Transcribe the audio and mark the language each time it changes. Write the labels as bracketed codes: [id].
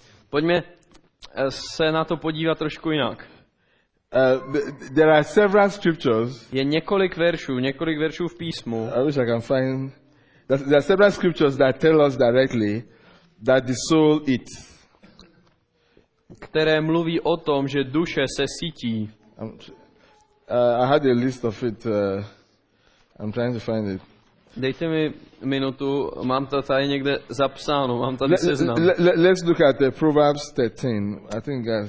[cs] Pojďme se na to podívat trošku jinak. [en] There are several scriptures. [cs] Je několik veršů v písmu. [en] I wish I can find. There are several scriptures that tell us directly that the soul eats. [cs] Které mluví o tom, že duše se sytí. [en] I had a list of it. I'm trying to find it. [cs] Dejte mi minutu, mám to tady někde zapsáno, mám tady seznam. [en] Let's look at the Proverbs 13. I think guys.